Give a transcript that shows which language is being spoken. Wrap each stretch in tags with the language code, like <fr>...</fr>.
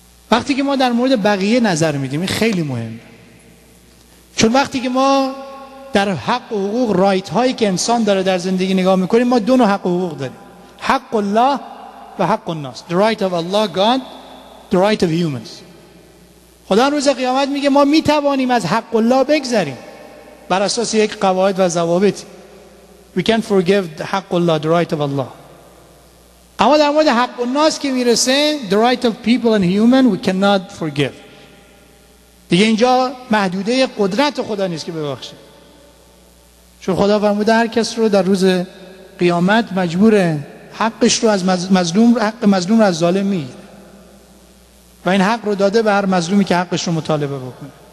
<fa>وقتی که ما در مورد بقیه نظر میدیم این خیلی مهمه، چون وقتی که ما در حق و حقوق رایت هایی که انسان داره در زندگی نگاه میکنیم، ما دو نوع حق و حقوق داریم، حق الله و حق الناس.</fa> <en>The right of Allah God, the right of humans.</en> <fa>خدا روز قیامت میگه ما میتوانیم از حق الله بگذریم بر اساس یک قواعد و ضوابط.</fa> <en>We can forgive the حق الله, the right of Allah.</en> <fa>اما در مورد حق الناس که میرسه,</fa> <en>the right of people and human, we cannot forgive.</en> <fa>دیگه اینجا محدوده قدرت خدا نیست که ببخشه. چون خدا فرموده هر کس رو در روز قیامت مجبوره حقش رو از مظلوم حق مظلوم رو از ظالم میگیره. و این حق رو داده به هر مظلومی که حقش رو مطالبه بکنه.</fa>